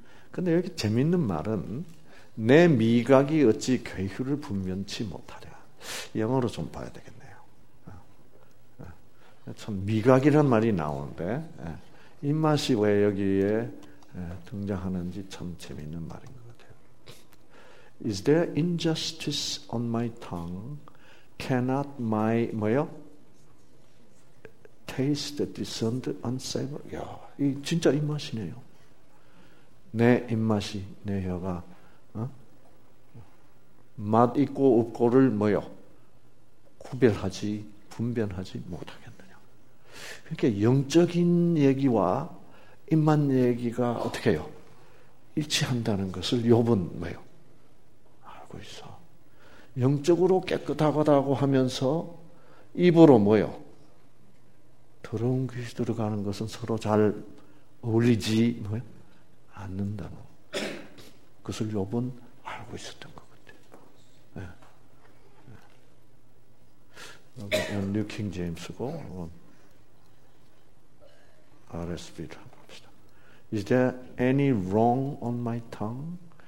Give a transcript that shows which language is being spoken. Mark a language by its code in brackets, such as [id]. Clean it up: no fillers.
[ko] 근데 여기 재밌는 말은 내 미각이 어찌 괴휼을 분면치 못하랴. 영어로 좀 봐야 되겠네요. 참 미각이란 말이 나오는데 입맛이 왜 여기에 등장하는지 참 재밌는 말인 것 같아요. [en] Is there injustice on my tongue? Cannot my [ko] 뭐요? [en] Taste discerned unsavory? [ko] 야, 이 진짜 입맛이네요. 내 입맛이, 내 혀가 맛 있고 없고를 뭐요? 구별하지, 분별하지 못하겠느냐. 그러니까 영적인 얘기와 입맛 얘기가 어떻게 해요? 일치한다는 것을 욥은 뭐요? 알고 있어. 영적으로 깨끗하다고 하면서 입으로 뭐요? 더러운 귀신 들어가는 것은 서로 잘 어울리지 뭐요? 않는다고. 그것을 욥은 알고 있었던 것 같아요. 이건 뉴 킹 제임스고 RSV를 한번 봅시다. [en] Is there any wrong on my tongue?